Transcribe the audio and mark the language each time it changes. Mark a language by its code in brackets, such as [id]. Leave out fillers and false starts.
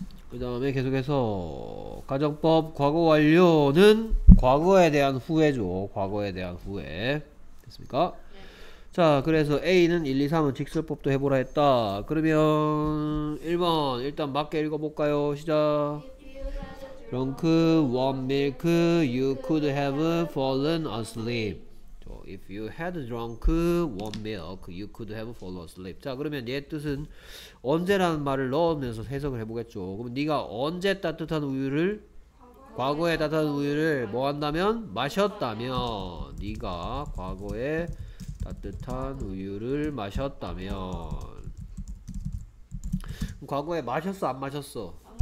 [ko] 그 다음에 계속해서 가정법 과거 완료는 과거에 대한 후회죠. 과거에 대한 후회. 됐습니까? 네. 자, 그래서 A는 1, 2, 3은 직설법도 해보라 했다. 그러면 1번 일단 맞게 읽어볼까요? 시작. [en] Drunk warm milk you could have fallen asleep. If you had drunk warm milk, you could have fallen asleep. [ko] 자, 그러면 얘 뜻은 언제라는 말을 넣으면서 해석을 해보겠죠. 그럼 네가 언제 따뜻한 우유를 과거에 따뜻한 우유를 뭐 한다면 마셨다면 네가 과거에 따뜻한 우유를 마셨다면 과거에 마셨어 안 마셨어?